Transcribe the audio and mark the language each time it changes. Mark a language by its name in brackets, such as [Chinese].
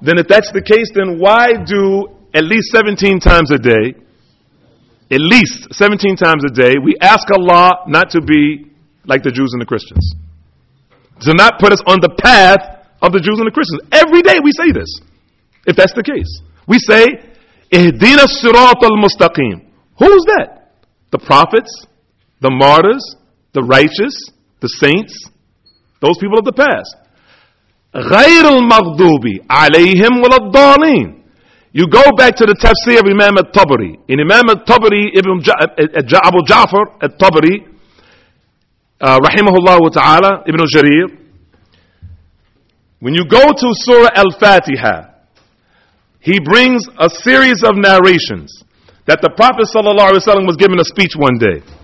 [English] Then if that's the case, then why do at least 17 times a day, at least 17 times a day, we ask Allah not to be like the Jews and the Christians? To not put us on the path of the Jews and the Christians. Every day we say this, if that's the case. We say, [Arabic] اِهْدِينَ الصِّرَاطَ الْمُسْتَقِيمِ. [English] Who's that? The prophets, the martyrs, the righteous, the saints, those people of the past. [Arabic] غَيْرُ الْمَغْضُوبِ عَلَيْهِمْ وَلَا الضَّالِينَ. [English] You go back to the tafsir of Imam al-Tabari. In Imam al-Tabari, Ibn Abu Ja'far al-Tabari, rahimahullah wa ta'ala, Ibn Jarir, when you go to Surah Al-Fatiha, he brings a series of narrations that the Prophet sallallahu alaihi wasallam was giving a speech one day.